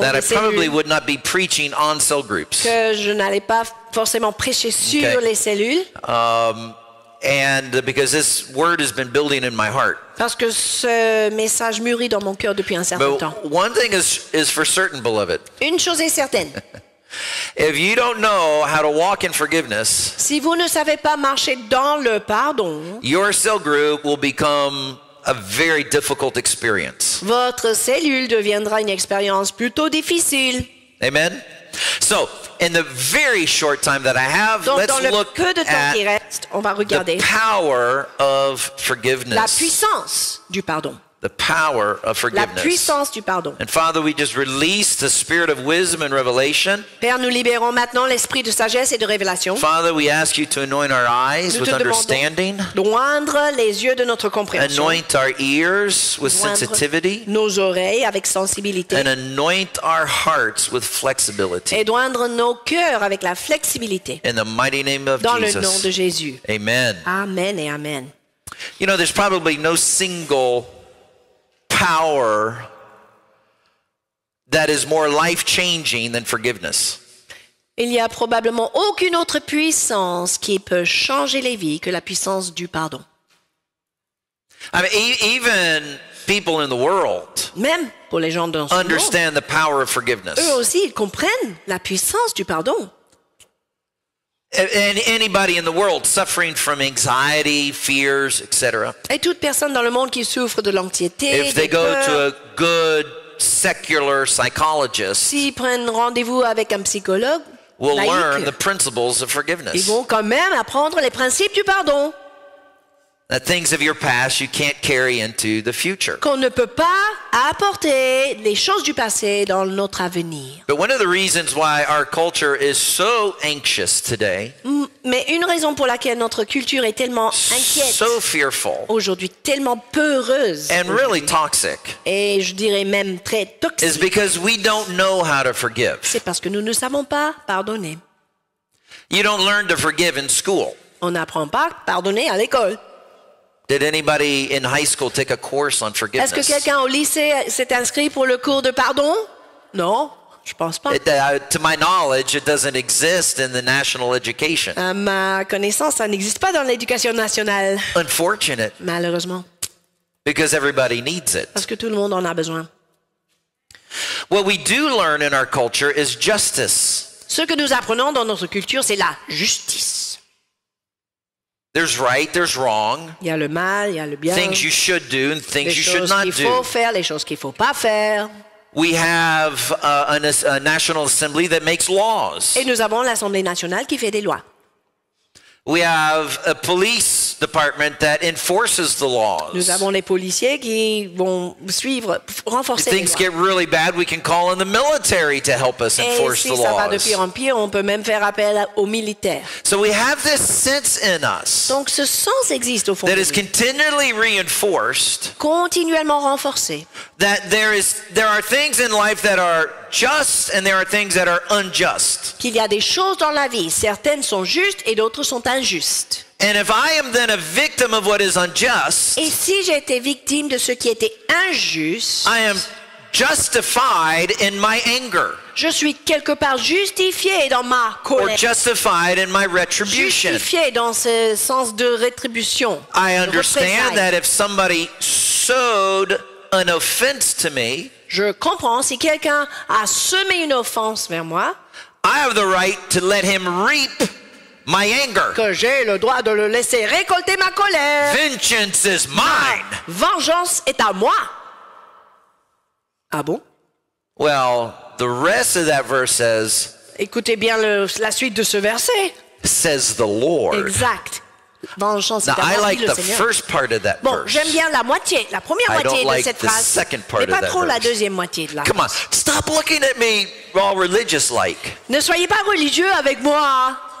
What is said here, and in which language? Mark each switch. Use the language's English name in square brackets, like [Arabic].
[English] That [French] de [English] I [French] cellules, [English] probably would not be preaching on cell groups. [French] Que je n'allais pas forcément prêcher sur okay. les cellules. [English] And because this word has been building in my heart. [French] Parce que ce message mûrit dans mon cœur depuis un certain [English] but [French] temps. [English] One thing is for certain, beloved. [French] Une chose est certaine. [English] If you don't know how to walk in forgiveness, [French] si vous ne savez pas marcher dans le pardon, [English] your cell group will become a very difficult experience. [French] Votre cellule deviendra une expérience plutôt difficile. [English] Amen. So, in the very short time that I have, [French] donc, [English] let's look [French] peu de temps [English] at [French] qui reste, on va regarder [English] the power of forgiveness. [French] La puissance du pardon. [English] The power of forgiveness. [French] La puissance du pardon. [English] And Father, we just release the spirit of wisdom and revelation. [French] Père, nous libérons maintenant l'esprit de sagesse et de révélation. [English] Father, we ask you to anoint our eyes [French] nous [English] with understanding. [French] D'oindre les yeux de notre compréhension. [English] Anoint our ears with sensitivity. [French] Nos oreilles avec sensibilité. [English] And anoint our hearts with flexibility. [French] Et d'oindre nos cœurs avec la flexibilité. [English] In the mighty name of [French] dans [English] Jesus. [French] Dans le nom de Jésus. [English] Amen. [French] Amen et amen. [English] You know, there's probably no single power that is more life-changing than forgiveness. [French] Il n'y a probablement aucune autre puissance qui peut changer les vies que la puissance du pardon. [English] I mean, even people in the world [French] même pour les gens dans ce [English] understand [French] monde, [English] the power of forgiveness. [French] Eux aussi, ils comprennent la puissance du pardon. [English] And anybody in the world suffering from anxiety, fears, etc. [French] Et toute personne dans le monde qui souffre de l'anxiété, [English] if they go to a good secular psychologist, [French] s'ils prennent rendez-vous avec un psychologue, [English] will learn the principles of forgiveness. [French] Ils vont quand même apprendre les principes du pardon. [English] The things of your past you can't carry into the future. [French] Qu'on ne peut pas apporter les choses du passé dans notre avenir. [English] But one of the reasons why our culture is so anxious today. [French] Mais une raison pour laquelle notre culture est tellement inquiète. [English] So fearful. [French] Aujourd'hui tellement peureuse. [English] And really toxic. [French] Et je dirais même très toxique. [English] Is because we don't know how to forgive. [French] C'est parce que nous ne savons pas pardonner. [English] You don't learn to forgive in school. [French] On n'apprend pas à pardonner à l'école. [English] Did anybody in high school take a course on forgiveness? [French] Est-ce que quelqu'un au lycée s'est inscrit pour le cours de pardon? Non, je pense pas. [English] To my knowledge, it doesn't exist in the national education. [French] À ma connaissance, ça n'existe pas dans l'éducation nationale. [English] Unfortunate. [French] Malheureusement. [English] Because everybody needs it. [French] Parce que tout le monde en a besoin. [English] What we do learn in our culture is justice. [French] Ce que nous apprenons dans notre culture, c'est la justice. [English] There's right, there's wrong. [French] Il y a le mal, il y a le bien. [English] Things you should do and things you should not do. [French] Les choses qu'il faut faire, les choses qu'il faut pas faire. [English] We have a national assembly that makes laws. [French] Et nous avons l'Assemblée nationale qui fait des lois. [English] We have a police department that enforces the laws. [French] Nous avons les policiers qui vont suivre, renforcer les lois. [English] Things get really bad, we can call in the military to help us enforce the laws. [French] Et si ça va de pire en pire, on peut même faire appel aux militaires. [English] So we have this sense in us. [French] Donc ce sens existe au fond. [English] That is continually reinforced. [French] Continuellement renforcé. [English] That there are things in life that are just and there are things that are unjust. [French] Qu'il y a des choses dans la vie, certaines sont justes et d'autres sont injustes. [English] And if I am then a victim of what is unjust, [French] et si j'ai été victime de ce qui était injuste, [English] I am justified in my anger. [French] Je suis quelque part justifié dans ma colère. [English] Or justified in my retribution. [French] Justifié dans ce sens de rétribution. [English] I understand that if somebody sowed an offense to me, [French] je comprends si quelqu'un a semé une offense vers moi. [English] I have the right to let him reap my anger. [French] Que j'ai le droit de le laisser récolter ma colère. [English] Vengeance is mine. [French] Vengeance est à moi. Ah bon? [English] Well, the rest of that verse says. [French] Écoutez bien la suite de ce verset. [English] Says the Lord. [French] Exact. Vengeance [English] now, I like the [French] Seigneur. [English] First part of that [French] bon, [English] verse. [French] J'aime bien la moitié, la première moitié de [English] like [French] cette phrase, mais pas trop [English] verse. [French] La deuxième moitié de la [English] Come on, stop looking at me all religious-like. [French] Ne soyez pas religieux avec moi.